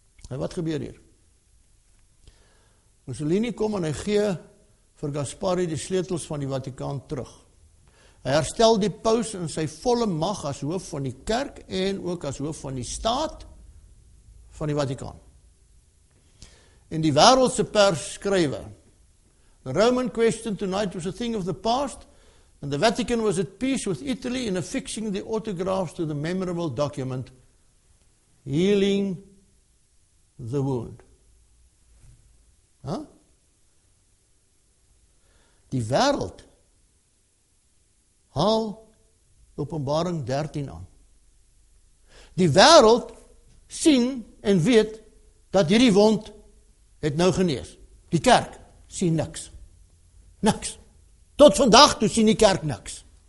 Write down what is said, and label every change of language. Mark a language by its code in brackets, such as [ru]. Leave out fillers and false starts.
[af] En wat gebeur hier? Mussolini kom en hy gee vir Gasparri die sleutels van die Vatikaan terug. Hy herstel die paus in sy volle mag as hoof van die kerk en ook as hoof van die staat van die Vatikaan. En die wêreldse pers skrywe, [en] "The Roman question tonight was a thing of the past, and the Vatican was at peace with Italy in affixing the autographs to the memorable document, healing the wound." [af] Die wêreld haal Openbaring 13 aan. Die wêreld sien en weet dat hierdie wond het nou genees. Die kerk sien niks. Niks. Tot vandag toe sien die kerk niks.